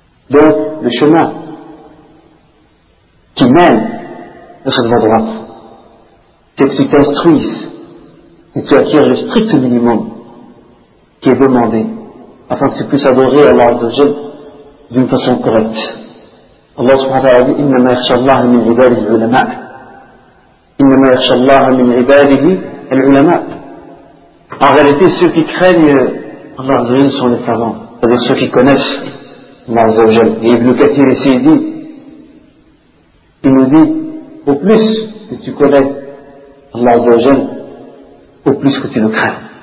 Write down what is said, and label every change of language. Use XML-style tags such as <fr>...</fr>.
<fr>Donc le chemin qui mène à cette voie droite, c'est que tu t'instruises et tu acquiers le strict minimum qui est demandé afin que tu puisses adorer Allah Azzawajal d'une façon correcte.</fr> <ar>Allah subhanahu wa ta'ala dit inna ma yakhsha Allah min ibadihi al-ulama. إنما يخشى الله من عباده العلماء.</ar> <fr>En réalité, ceux qui craignent Allah Azza wa Jalla sont les savants, c'est-à-dire ceux qui connaissent Allah Azza wa Jalla. Et Ibn Kathir ici dit, il nous dit, au plus que tu connais Allah Azza wa Jalla, au plus que tu le crains.</fr>